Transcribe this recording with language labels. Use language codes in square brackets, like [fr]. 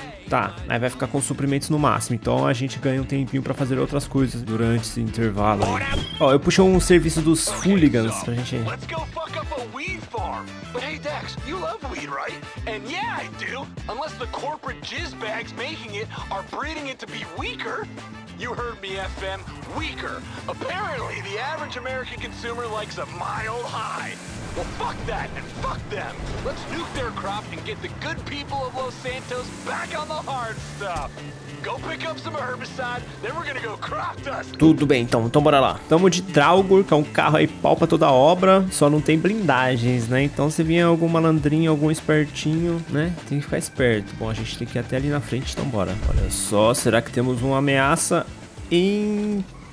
[pt] Tá, aí vai ficar com suprimentos no máximo. Então a gente ganha um tempinho pra fazer outras coisas durante esse intervalo aí. Ó, eu puxei um serviço dos Fooligans pra gente. [en] Let's go fuck up a weed farm. But hey Dex, you love weed, right? And yeah, I do. Unless the corporate jizz bags making it are breeding it to be weaker. You heard me, FM, weaker. Apparently the average American consumer likes a mile high. Well, fuck that and fuck them. Let's nuke their crop and get the good people of Los Santos back on the hard stuff. Go pick up some herbicide, then we're gonna go crop dust. [pt] Tudo bem, então bora lá. Tamo de Draugr, que é um carro aí pau pra toda obra, só não tem blindagens, né? Então se vier algum malandrinho, algum espertinho, né? Tem que ficar esperto. Bom, a gente tem que ir até ali na frente, então bora. Olha só, será que temos uma ameaça em...